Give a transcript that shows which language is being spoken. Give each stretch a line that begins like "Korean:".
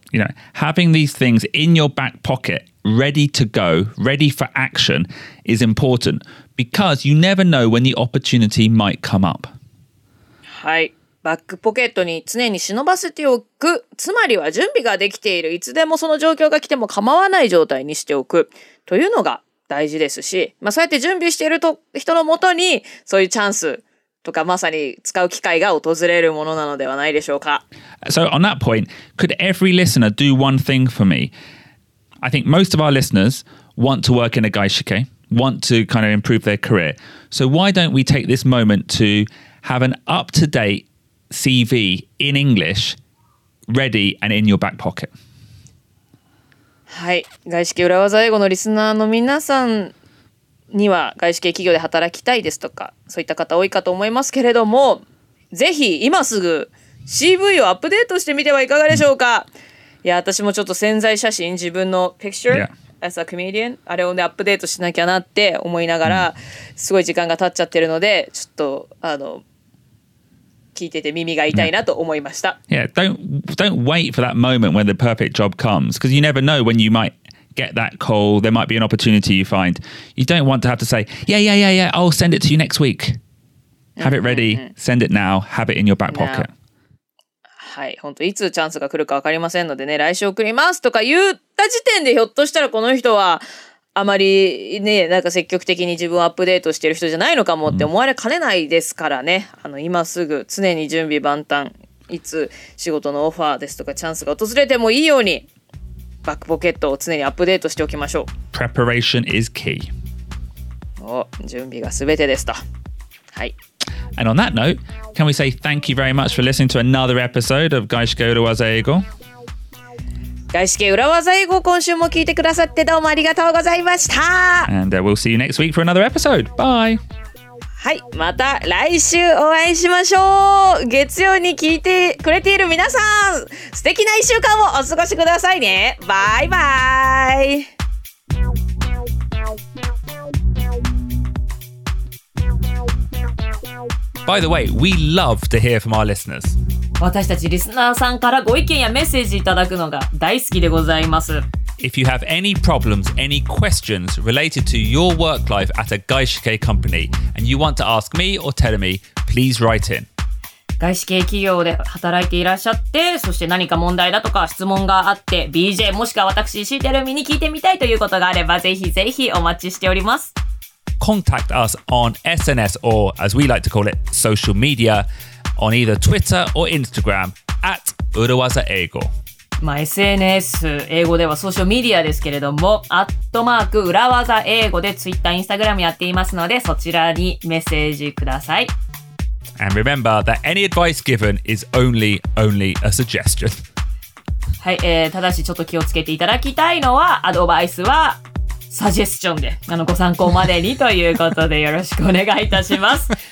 English: You know, having these things in your back pocket, ready to go, ready for action, is important because you never know when the opportunity might come up.
Japanese: はい、バックポケットに常に忍ばせておく、つまりは準備ができている、いつでもその状況が来ても構わない状態にしておくというのが大事ですし、まあ、そうやって準備していると人のもとにそういうチャンスとかまさに使う機会が訪れるものなのではないでしょうか。
English: So on that point, could every listener do one thing for me? I think most of our listeners want to work in a gaishikei, want to kind of improve their career. So why don't we take this moment toHave an up-to-date CV in English, ready and in your back pocket.
Japanese: はい、外資系裏技英語のリスナーの皆さんには外資系企業で働きたいですとか、そういった方多いかと思いますけれども、ぜひ今すぐ CV をアップデートしてみてはいかがでしょうか。いや、私もちょっと潜在写真、自分の picture、
English: yeah. as a comedian、
Japanese: あれをね、アップデートしなきゃなって思いながら、すごい時間が経っちゃってるので、ちょっと、あの、聞いてて耳が痛いなと思いました。
English: Yeah, don't wait for that moment when the perfect job comes, because you never know when you might get that call, there might be an opportunity you find. You don't want to have to say, yeah, I'll send it to you next week. Have it ready, send it now, have it in your back pocket.
Japanese: はい、本当いつチャンスが来るか分かりませんのでね、来週送りますとか言った時点でひょっとしたらこの人はあまりね、なんか積極的に自分をアップデートしてる人じゃないのかもって思われかねないですからね、あの、今すぐ常に準備万端、いつ仕事のオファーですとかチャンスが訪れてもいいようにバックポケットを常にアップデートしておきましょう。
English: Preparation is key.
Japanese: お、準備が全てですと。はい。
English: And on that note, can we say thank you very much for listening to another episode of 外資系裏技英語。
Japanese: 外資系裏技英語、今週も聞いてくださってどうもありがとうございました。
English: And we'll see you next week for another episode. Bye.
Japanese: はい、また来週お会いしましょう。月曜に聞いてくれている皆さん、素敵な1週間をお過ごしくださいね。バイバイ。
English: Thank you. By the way, we love to hear from our listeners.
Japanese: 私たちリスナーさんからご意見やメッセージいただくのが大好きでございます。
English: If you have any problems, any questions related to your work life at a Gaishike company, and you want to ask me or Teremi, please write in.
Japanese: 外資系企業で働いていらっしゃって、そして何か問題だとか質問があって、BJ もしくは私、シーテルミに聞いてみたいということがあれば、ぜひぜひお待ちしております。
English: Contact us on SNS or, as we like to call it, social media, on either Twitter or Instagram, at Uruwaza Eigo.
Japanese: まあ、SNS 英語ではソーシャルメディアですけれども、アットマーク裏技英語で Twitter、Instagram やっていますので、そちらにメッセージください。
English: And remember that any advice given is only, only a suggestion.
Japanese: はい、ただしちょっと気をつけていただきたいのは、アドバイスはサジェスチョンで、ご参考までにということでよろしくお願いいたします。